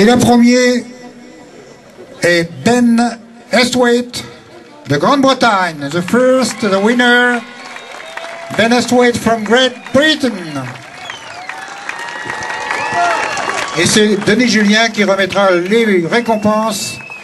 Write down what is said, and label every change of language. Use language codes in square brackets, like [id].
[fr] Et le premier est Ben Estwaite de Grande-Bretagne. [en] The first, the winner, Ben Estwaite from Great Britain. [fr] Et c'est Denis Julien qui remettra les récompenses.